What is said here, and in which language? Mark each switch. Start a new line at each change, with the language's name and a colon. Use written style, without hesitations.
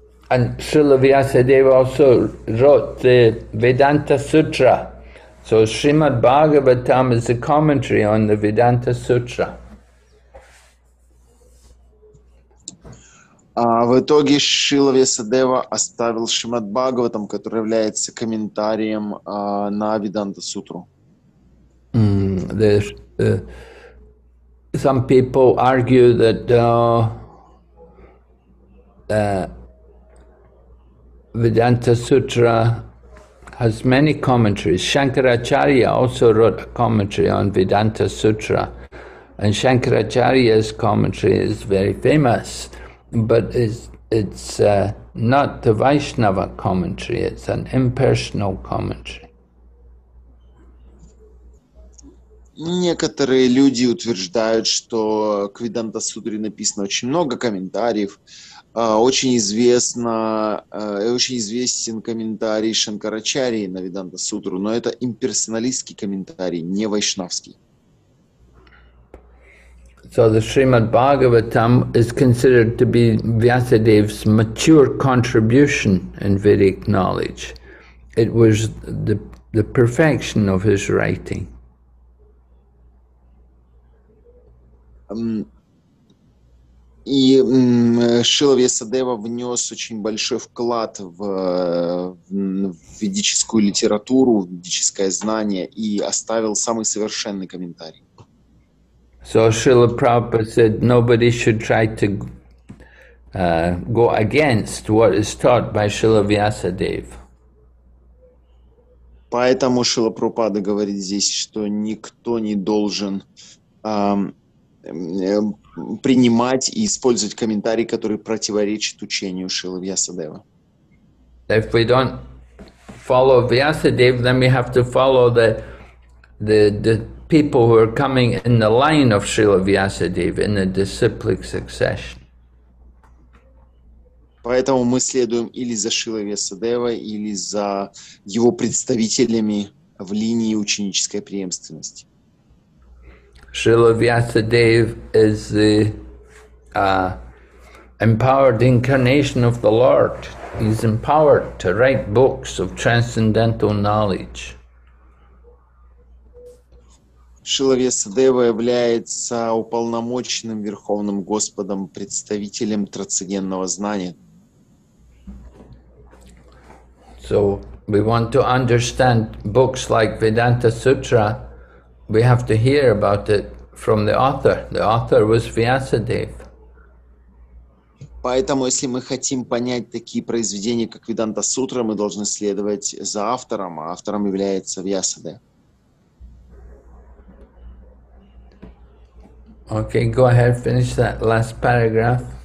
English: And Srila Vyasadeva also wrote the Vedanta Sutra. So Srimad Bhagavatam is a commentary on the Vedanta Sutra.
Russian: В итоге Шрила Вьясадева оставил Шримад Бхагаватам, который является комментарием на Веданта Сутру.
English: Some people argue that Vedanta Sutra has many commentaries. Shankaracharya also wrote a commentary on Vedanta Sutra, and Shankaracharya's commentary is very famous, but it's not the Vaishnava commentary, it's an impersonal commentary.
Russian: Некоторые люди утверждают, что к Веданта Сутре написано очень много комментариев. Очень известен комментарий Шанкарачарьи на Веданта Сутру, но это имперсоналистский комментарий, не вайшнавский.
English: So the Srimad Bhagavatam is considered to be Vyasadeva's mature contribution in Vedic knowledge. It was the perfection of his writing.
Russian: И Шрила Вьясадева внес очень большой вклад в ведическую литературу, в ведическое знание и оставил самый совершенный комментарий.
English: So Srila Prabhupada said nobody should try to go against what is taught by Srila Vyasadeva.
Russian: Поэтому Шрила Прабхупада говорит здесь, что никто не должен принимать и использовать комментарий, который противоречит учению Шрилы Вьясадевы.
English: If we don't follow Vyasadeva, then we have to follow the people who are coming in the line of Srila Vyasadeva in the disciplic succession.
Russian: Поэтому мы следуем или за Шрила Вьясадева, или за его представителями в линии ученической преемственности.
English: Шрила Вьясадева is the empowered incarnation of the Lord. He's empowered to write books of transcendental knowledge.
Russian: Шрила Вьясадева является уполномоченным Верховным Господом, представителем трансцендентного знания.
English: So we want to understand books like Vedanta Sutra, we have to hear about it from the author. The author was Vyasadeva.
Russian: Поэтому, если мы хотим понять такие произведения, как Vedanta Sutra, мы должны следовать за автором, а автором является Vyasadeva.
English: Okay, go ahead, finish that last paragraph.